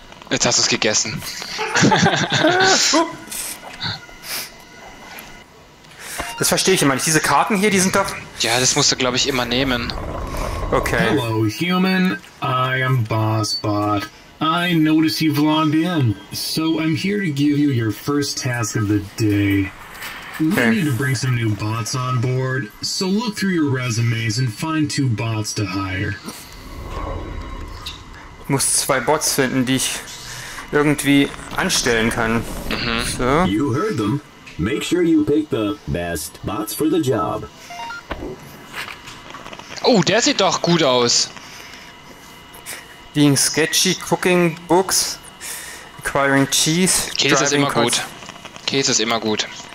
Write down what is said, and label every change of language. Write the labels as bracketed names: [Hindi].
[German] Jetzt hast du es gegessen. Das verstehe ich immer nicht. Diese Karten hier, die sind doch... Ja, das musst du, glaube ich, immer nehmen. Okay. [English] Hello, human. I am BossBot. I notice you've logged in, so I'm here to give you your first task of the day. We need to bring some new bots on board, so look through your resumes and find two bots to hire. [German] Ich muss zwei Bots finden, die ich irgendwie anstellen kann. [English] So. You heard them. Make sure you pick the best bots for the job. [German] Oh, der sieht doch gut aus. [English] Being sketchy, cooking books, acquiring cheese. [German] Käse ist immer gut. Käse ist immer gut.